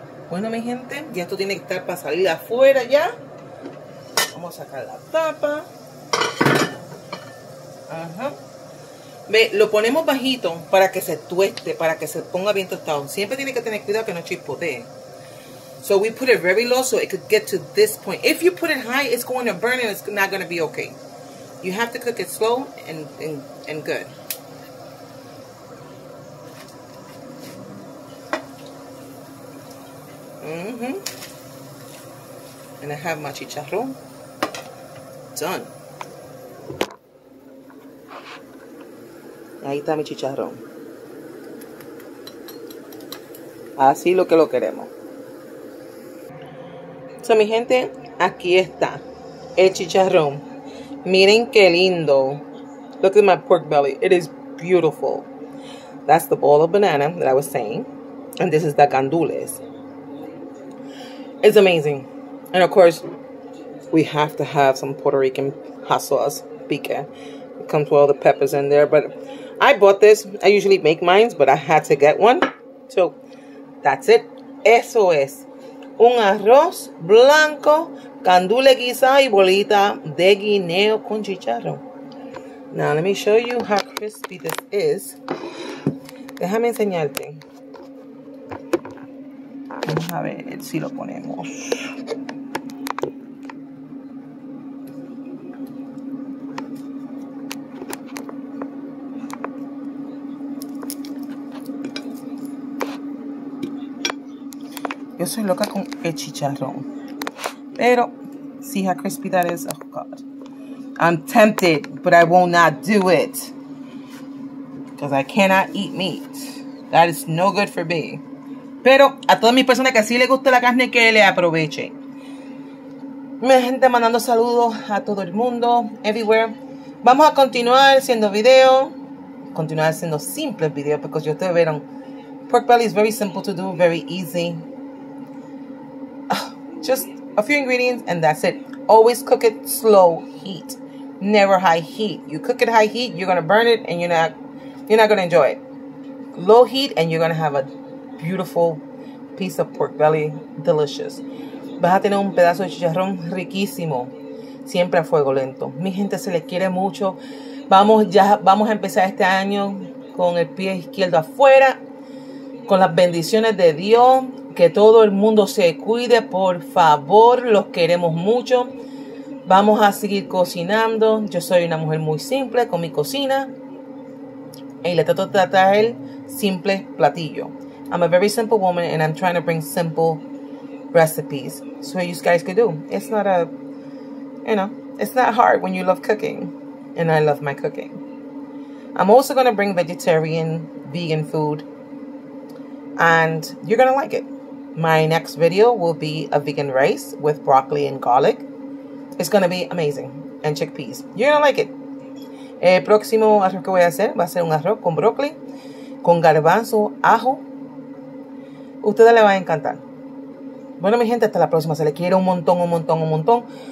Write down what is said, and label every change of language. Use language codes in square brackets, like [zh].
[es] Bueno, mi gente, ya esto tiene que estar para salir afuera ya. Vamos a sacar la tapa. Ajá. Ve, lo ponemos bajito para que se tueste, para que se ponga bien tostado. Siempre tiene que tener cuidado que no chispotee. [en] So we put it very low so it could get to this point. If you put it high, it's going to burn and it's not going to be okay. You have to cook it slow and good. Mm-hmm. And I have my chicharrón done. [es] Ahí está mi chicharrón. Así lo que lo queremos. So, mi gente, aquí está el chicharrón. Miren qué lindo. [en] Look at my pork belly. It is beautiful. That's the ball of banana that I was saying. And this is the gandules. It's amazing. And of course, we have to have some Puerto Rican hot sauce. Pica. It comes with all the peppers in there. But I bought this. I usually make mine, but I had to get one. So, that's it. [es] Eso es. Un arroz blanco, candule guisado y bolita de guineo con chicharrón. [en] Now, let me show you how crispy this is. [es] Déjame enseñarte. Vamos a ver si lo ponemos. Mm-hmm. Yo soy loca con el chicharrón. Pero, [en] see how crispy that is? Oh, God. I'm tempted, but I will not do it. Because I cannot eat meat. That is no good for me. [es] Pero, a todas mis personas que sí les gusta la carne, que le aprovechen. Mi gente, mandando saludos a todo el mundo, everywhere. Vamos a continuar haciendo video. Continuar haciendo simples videos, porque ustedes vieron. [en] Pork belly is very simple to do, very easy. Just a few ingredients and that's it. Always cook it slow heat. Never high heat. You cook it high heat, you're going to burn it and you're not going to enjoy it. Low heat and you're going to have a beautiful piece of pork belly. Delicious. [es] Vas a tener un pedazo de chicharrón riquísimo. Siempre a fuego lento. Mi gente, se les quiere mucho. Vamos a empezar este año con el pie izquierdo afuera. Con las bendiciones de Dios. Que todo el mundo se cuide, por favor. Los queremos mucho. Vamos a seguir cocinando. Yo soy una mujer muy simple con mi cocina. Y le trato de tratar el simple platillo. [en] I'm a very simple woman and I'm trying to bring simple recipes. So what you guys can do. It's not a, you know, it's not hard when you love cooking. And I love my cooking. I'm also going to bring vegetarian, vegan food. And you're going to like it. My next video will be a vegan rice with broccoli and garlic. It's going to be amazing. And chickpeas. You're going to like it. [es] El próximo arroz que voy a hacer va a ser un arroz con broccoli, con garbanzo, ajo. Ustedes le va a encantar. Bueno, mi gente, hasta la próxima. Se les quiere un montón, un montón, un montón.